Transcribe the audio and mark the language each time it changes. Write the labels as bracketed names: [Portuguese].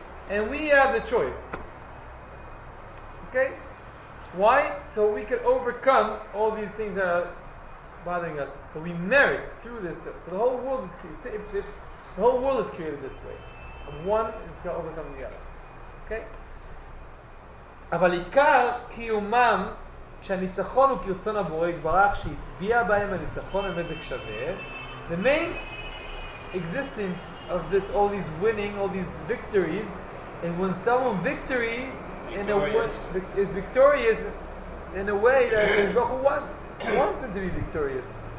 [English] And we have the choice. Okay? Why? So we can overcome all these things that are bothering us. So we merit through this. So the whole world is created. If the whole world is created this way. And one is going to overcome the other. Okay? [Hebrew] אבל עיקר קיומם, שהניצחון הוא כרצון הבורא, התברך שהטביע בהם הניצחון המזג שווה. [English] The main existence of this, all these winning, all these victories, and when someone victories, is victorious in a way that Hashem wants it to be victorious.